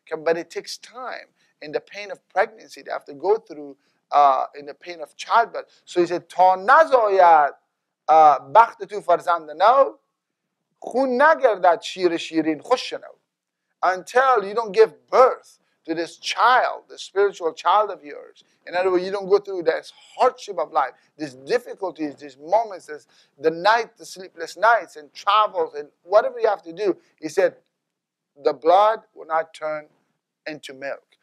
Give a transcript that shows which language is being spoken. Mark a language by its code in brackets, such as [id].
[en] But it takes time. In the pain of pregnancy, they have to go through in the pain of childbirth. So he said, [fa] تا نزاید بخت تو فرزند نو خون نگردد شیر شیرین خوش شنو. [en] Until you don't give birth to this child, the spiritual child of yours. In other words, you don't go through this hardship of life, these difficulties, these moments, the sleepless nights and travels and whatever you have to do. He said, the blood will not turn into milk.